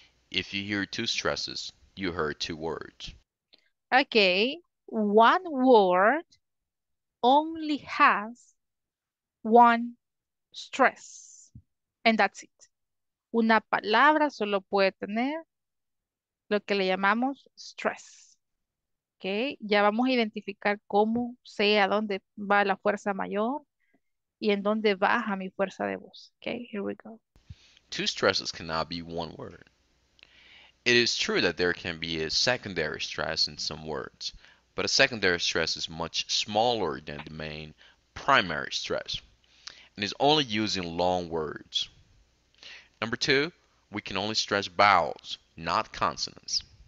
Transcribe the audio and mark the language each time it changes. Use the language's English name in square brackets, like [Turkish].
[English] If you hear two stresses, you heard two words. Okay. One word only has one stress, and that's it. [Spanish] Una palabra solo puede tener lo que le llamamos stress. Okay, ya vamos a identificar cómo sé a dónde va la fuerza mayor y en dónde baja mi fuerza de voz. [English] Okay, here we go. Two stresses cannot be one word. It is true that there can be a secondary stress in some words, but a secondary stress is much smaller than the main primary stress. And is only using long words. Number two, we can only stress vowels, not consonants.